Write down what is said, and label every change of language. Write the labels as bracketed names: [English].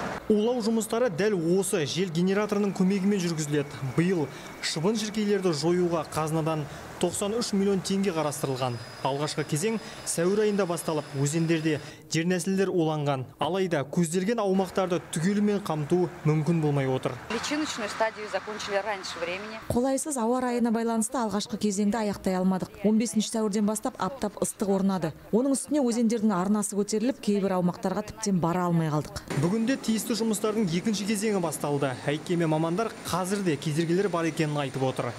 [Kazakh] Олау жұмыстары дәл осы жел генераторының көмегімен жүргізіледі. Биыл шыбын жіркейлерді жоюға қазынадан 93 миллион теңге қарастырылған. Алғашқы кезең сәуір айында басталып, өзендерде жернәсілдер оланған. Алайда көзделген аумақтарды түгелімен қамту мүмкін болмай отыр. [Russian] Личиночную стадию закончили раньше времени. [Kazakh] Қолайсыз ауа райына байланысты алғашқы кезеңді аяқтай алмадық. 15-ші сәуірден бастап аптап ыстық орнады. Оның үстіне өзендердің арнасы көтеріліп, кейбір аумақтарға тіптен бара алмай қалдық. Бүгінде тиісті жұмыстардың екінші кезеңі басталды. Әйткенмен мамандар қазір де кедергілер бар екенін айтып отыр.